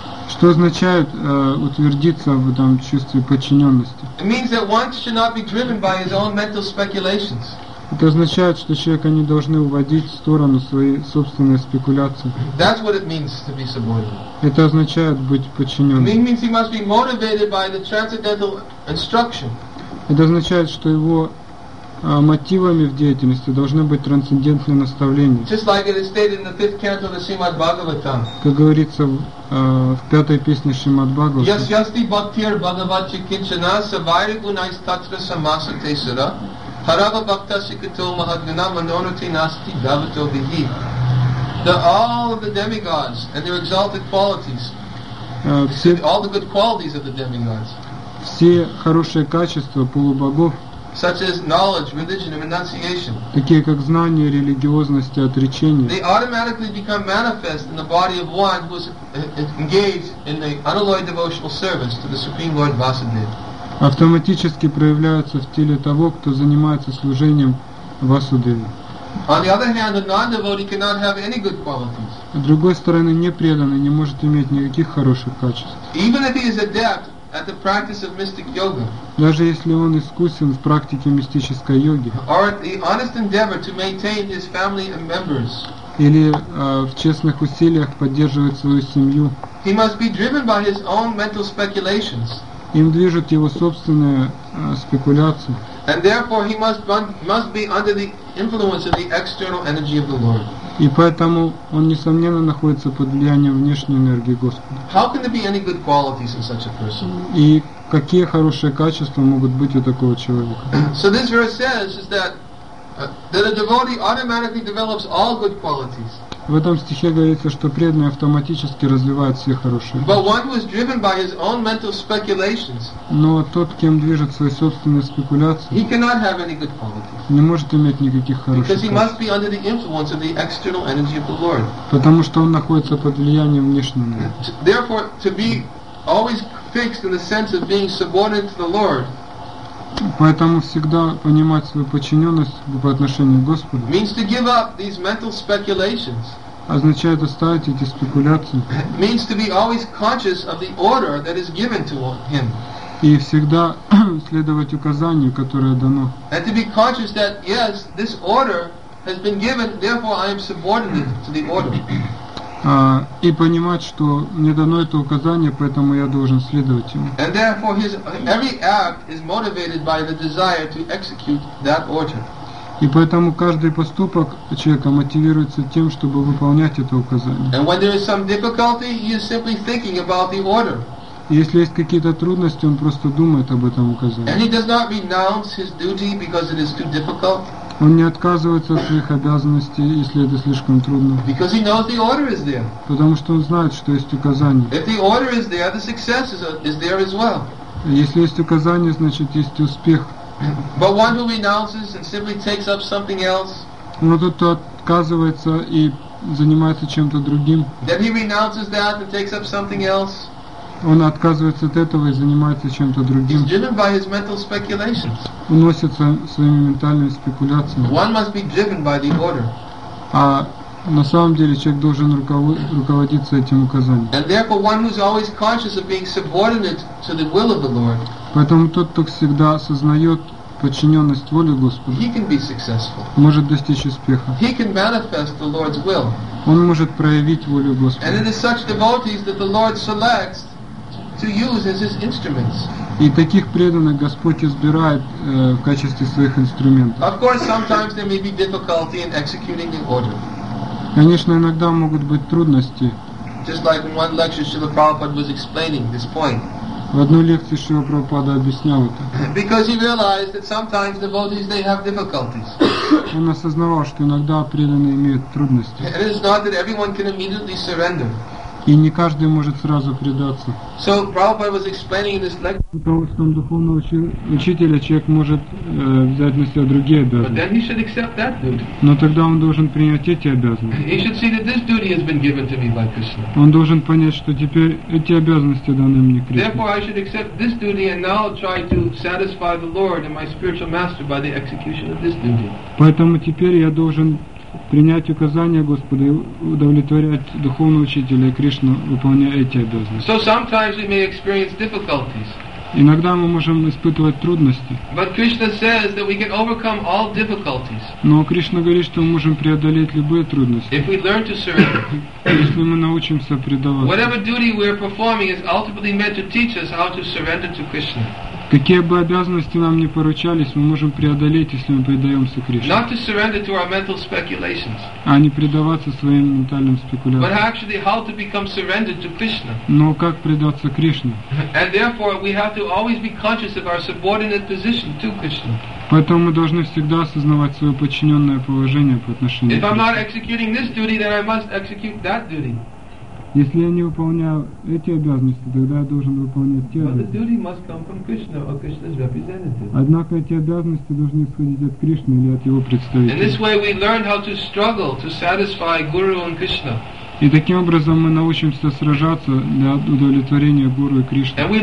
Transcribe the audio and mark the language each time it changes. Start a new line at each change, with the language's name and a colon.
Russian: Что означает утвердиться в этом чувстве подчиненности?
English: It means that one should not be driven by his own mental speculations.
Russian: Это означает, что человека не должны уводить в сторону свои собственные спекуляции.
English: That's what it means to be subordinate.
Russian: Это означает быть подчиненным.
English: It means he must be motivated by the transcendental instruction.
Russian: Это означает, что его мотивами в деятельности должны быть трансцендентные наставления.
English: Just like it is stated in the fifth canto of the Srimad Bhagavatam.
Russian: Как говорится в пятой песне Шримад Бхагаватам.
Sanskrit: Yes, yasti bhaktir bhagavachi kinchana savaira gunais tatra samasa tesara harava bhakta sikato mahadguna manonati nasti dhavato vihi.
English: All of the demigods and their exalted qualities. All the good qualities of the demigods.
Russian: Все хорошие качества полубогов.
English: Such as knowledge, religion, and renunciation.
Russian: Такие как знание, религиозность и отречение.
English: They automatically become manifest in the body of one who is engaged in the unalloyed devotional service to the Supreme Lord Vasudeva.
Russian: Автоматически проявляются в теле того, кто занимается служением Васудеве.
English: On the other hand, a non-devotee cannot have any good qualities.
Russian: С другой стороны, непреданный не может иметь никаких хороших качеств.
English: Even if he is adept at the practice of mystic yoga.
Russian: Даже если он искусен в практике мистической йоги.
English: Or the honest endeavor to maintain his family and members.
Russian: Или в честных усилиях поддерживать свою семью.
English: He must be driven by his own mental speculations.
Russian: Им движут его собственные спекуляции.
English: And therefore he must be under the influence of the external energy of the Lord.
Russian: И поэтому он, несомненно, находится под влиянием внешней энергии Господа.
English: How can there be any good qualities in such a person?
Russian: И какие хорошие качества могут быть у такого человека?
English: So this verse says is that that a devotee automatically develops all good qualities.
Russian: В этом стихе говорится, что преданный автоматически развивает все хорошие.
English: But one who is driven by his own mental speculations.
Russian: Но тот, кем движет свои собственные спекуляции.
English: He cannot have any good qualities.
Russian: Не может иметь никаких хороших качеств.
English: Because he must be under the influence of the external energy of the Lord.
Russian: Потому что он находится под влиянием внешней энергии.
English: Therefore, to be always fixed in the sense of being subordinate to the Lord.
Russian: Поэтому всегда понимать свою подчиненность по отношению к Господу
English: means to give up these mental speculations.
Russian: означает оставить эти спекуляции.
English: Means to be always conscious of the order that is given to him.
Russian: И всегда следовать указанию, которое дано.
English: And to be conscious that yes, this order has been given, therefore I am subordinate to the order.
Russian: И понимать, что мне дано это указание, поэтому я должен следовать ему.
English: And therefore his every act is motivated by the desire to execute that order.
Russian: И поэтому каждый поступок человека мотивируется тем, чтобы выполнять это указание.
English: And when there is some difficulty, he is simply thinking about the order.
Russian: Если есть какие-то трудности, он просто думает об этом указании.
English: And he does not renounce his duty because it is too difficult.
Russian: Он не отказывается от своих обязанностей, если это слишком трудно.
English: Because he knows the order is there.
Russian: Потому что он знает, что есть указание.
English: If the order is there, the success is there as well.
Russian: Если есть указание, значит есть успех.
English: But one who renounces and simply takes up something else.
Russian: Но тот, кто отказывается и занимается чем-то другим.
English: Then he renounces that and takes up something else.
Russian: Он отказывается от этого и занимается чем-то другим.
English: He's driven by his mental speculations.
Russian: Уносится своими ментальными спекуляциями.
English: One must be driven by the order.
Russian: А на самом деле человек должен руководиться этим указанием.
English: And therefore one who's always conscious of being subordinate to the will of the Lord.
Russian: Поэтому тот, кто всегда осознает подчиненность воле Господа,
English: he can be successful.
Russian: Может достичь успеха.
English: He can manifest the Lord's will.
Russian: Он может проявить волю Господа.
English: And it is such devotees that the Lord selects to use as his instruments.
Russian: И таких преданных Господь избирает в качестве своих инструментов.
English: Of course, sometimes there may be difficulty in executing the order.
Russian: Конечно, иногда могут быть трудности.
English: Just like in one lecture, Srila Prabhupada was explaining this point.
Russian: В одной лекции Шрила Прабхупада объяснял это.
English: Because he realized that sometimes devotees they have difficulties.
Russian: Он осознавал, что иногда преданные имеют трудности.
English: It is not that everyone can immediately surrender.
Russian: И не каждый может сразу предаться.
English: So Prabhupada was explaining in this lecture.
Russian: По устам духовного учителя человек может взять на себя другие обязанности.
English: But then he should accept that duty.
Russian: Но тогда он должен принять эти обязанности.
English: He should see that this duty has been given to me by Krishna.
Russian: Он должен понять, что теперь эти обязанности даны мне Кришне.
English: Therefore I should accept this duty and now try to satisfy the Lord and my spiritual master by the execution of this duty.
Russian: Поэтому теперь я должен принять указания Господа и удовлетворять духовного учителя и Кришну, выполняя эти обязанности.
English: So sometimes we may experience difficulties.
Russian: Иногда мы можем испытывать трудности.
English: But Krishna says that we can overcome all difficulties.
Russian: Но Кришна говорит, что мы можем преодолеть любые трудности.
English: If we learn to surrender.
Russian: Если мы научимся предаваться.
English: Whatever duty we are performing is ultimately meant to teach us how to surrender to Krishna.
Russian: Какие бы обязанности нам ни поручались, мы можем преодолеть, если мы предаемся Кришне.
English: Not to surrender to our mental speculations.
Russian: А не предаваться своим ментальным спекуляциям.
English: But actually how to become surrendered to Krishna.
Russian: Но как предаться Кришне?
English: And therefore we have to always be conscious of our subordinate position to Krishna.
Russian: Поэтому мы должны всегда осознавать свое подчиненное положение по отношению к Кришне.
English: If I'm not executing this duty, then I must execute that duty.
Russian: Если я не выполняю эти обязанности, тогда я должен выполнять те обязанности. Однако эти обязанности должны исходить от Кришны или от его представителя. И таким образом мы научимся сражаться для удовлетворения Гуру и Кришны.